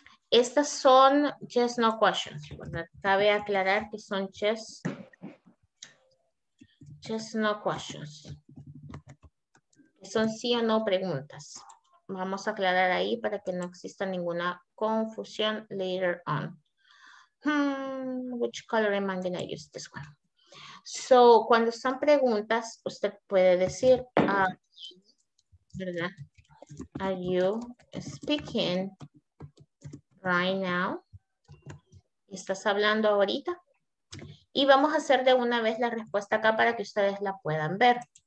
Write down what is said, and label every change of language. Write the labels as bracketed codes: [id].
[es] Estas son [en] yes, no questions, [es] ¿verdad? Cabe aclarar que son yes, no questions. Son sí o no preguntas. Vamos a aclarar ahí para que no exista ninguna confusión [en] later on. Which color am I gonna use this one? [es] So, cuando son preguntas, usted puede decir, ¿verdad? [en] Are you speaking right now? [es] ¿Estás hablando ahorita? Y vamos a hacer de una vez la respuesta acá para que ustedes la puedan ver.